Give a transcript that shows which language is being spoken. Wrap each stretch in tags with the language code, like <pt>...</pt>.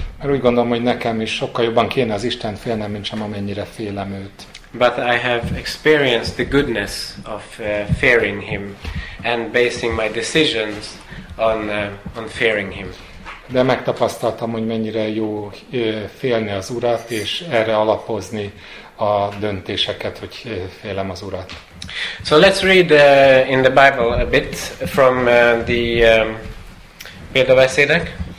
<hu>Mert úgy gondolom, hogy nekem is sokkal jobban kéne az Isten félnem, mint sem amennyire félem őt.</hu> <en>But I have experienced the goodness of fearing him and basing my decisions on fearing him.</en> <hu>De megtapasztaltam, hogy mennyire jó félni az Urat és erre alapozni a döntéseket, hogy félem az Urat.</hu> <en>So let's read in the Bible a bit from the példabeszédek.</en>